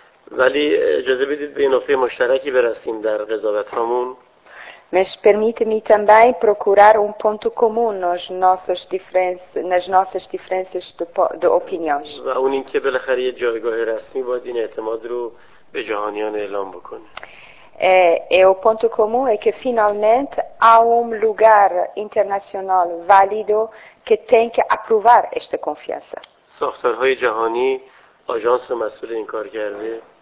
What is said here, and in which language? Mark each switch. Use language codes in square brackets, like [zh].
[fa] ولی اجازه بدید به این نقطه مشترکی برسیم در قضاوت هامون. [pt] Mas permite-me também procurar um ponto comum nas nossas diferenças de opiniões. [fa] و اون این که بالاخره یه جایگاه رسمی باید این اعتماد رو به جهانیان اعلام بکنه. [pt] E o ponto comum é que finalmente há lugar internacional válido que tem que aprovar esta confiança. [fa] ساختارهای جهانی آژانس مسئول این کار کرده.